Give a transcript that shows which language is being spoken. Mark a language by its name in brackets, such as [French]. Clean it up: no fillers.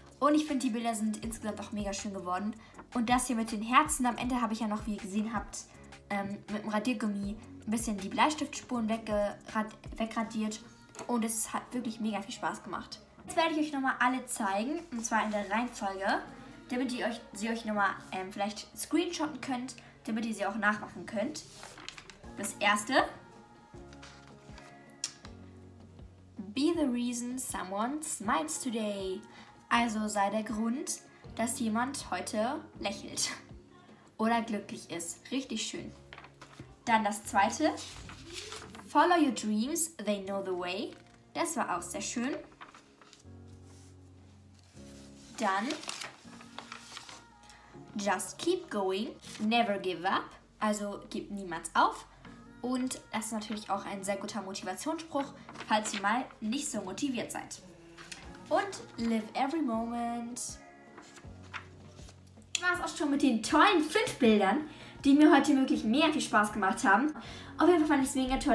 [German] Und ich finde, die Bilder sind insgesamt auch mega schön geworden. Und das hier mit den Herzen am Ende habe ich ja noch, wie ihr gesehen habt, mit dem Radiergummi ein bisschen die Bleistiftspuren wegradiert. Und es hat wirklich mega viel Spaß gemacht. Jetzt werde ich euch nochmal alle zeigen, und zwar in der Reihenfolge, damit ihr sie euch nochmal vielleicht screenshotten könnt, damit ihr sie auch nachmachen könnt. Das erste. [English] Be the reason someone smiles today. [German] Also sei der Grund, dass jemand heute lächelt oder glücklich ist. Richtig schön. Dann das zweite. [English] Follow your dreams, they know the way. [German] Das war auch sehr schön. [English] Dann just keep going, never give up. [German] Also gib niemals auf. Und das ist natürlich auch ein sehr guter Motivationsspruch, falls ihr mal nicht so motiviert seid. [English] Und live every moment. [German] Das war es auch schon mit den tollen 5 Bildern, die mir heute wirklich mega viel Spaß gemacht haben. Auf jeden Fall fand ich es mega toll.